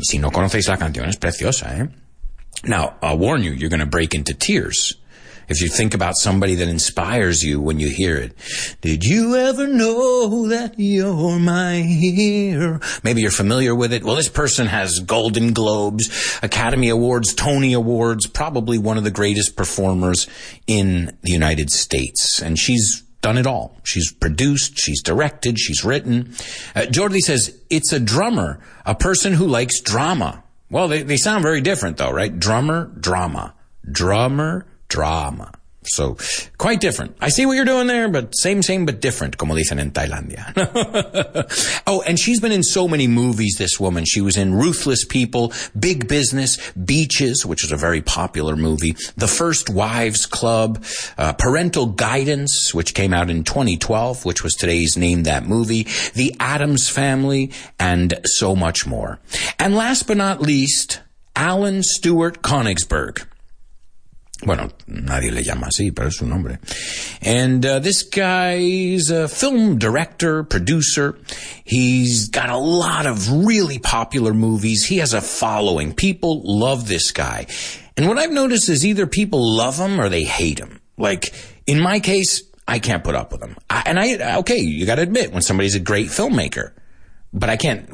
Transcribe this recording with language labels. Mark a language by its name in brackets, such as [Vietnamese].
[Spanish] Si no conocéis la canción, es preciosa, eh? [English] Now, I'll warn you, you're going to break into tears if you think about somebody that inspires you when you hear it. Did you ever know that you're my hero? Maybe you're familiar with it. Well, this person has Golden Globes, Academy Awards, Tony Awards, probably one of the greatest performers in the United States. And she's done it all. She's produced, she's directed, she's written. Jordi says, it's a drummer, a person who likes drama. Well, they sound very different though, right? Drummer, drama. Drummer, drama. So, quite different. I see what you're doing there, but same, same, but different, [Spanish] como dicen en Tailandia. [English] Oh, and she's been in so many movies, this woman. She was in Ruthless People, Big Business, Beaches, which is a very popular movie, The First Wives Club, Parental Guidance, which came out in 2012, which was today's Name That Movie, The Addams Family, and so much more. And last but not least, Alan Stewart Konigsberg. [Spanish] Bueno, nadie le llama así, pero es su nombre. [English] And this guy's a film director, producer. He's got a lot of really popular movies. He has a following. People love this guy. And what I've noticed is either people love him or they hate him. Like, in my case, I can't put up with him. Okay, you got to admit, when somebody's a great filmmaker, but I can't.